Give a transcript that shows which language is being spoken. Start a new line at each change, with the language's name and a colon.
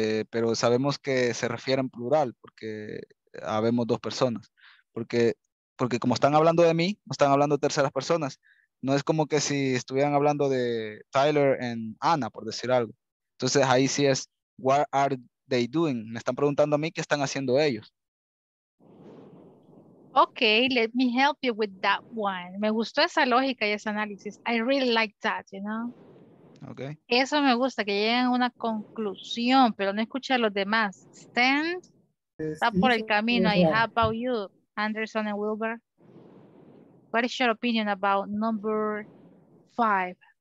Spanish: Pero sabemos que se refiere en plural, porque habemos dos personas. Porque como están hablando de mí, no están hablando de terceras personas. No es como que si estuvieran hablando de Tyler and Anna, por decir algo. Entonces, ahí sí es,
English: what are they doing?
Spanish: Me están preguntando a mí qué están haciendo ellos.
English: Okay, let me help you with that one.
Spanish: Me gustó esa lógica y ese análisis.
English: I really like that, you know. Okay.
Spanish: Eso me gusta, que lleguen a una conclusión, pero no escuché a los demás. Stan, está por el camino. Y
English: how about you,
Spanish: Anderson and Wilbur?
English: What is your opinion about number five?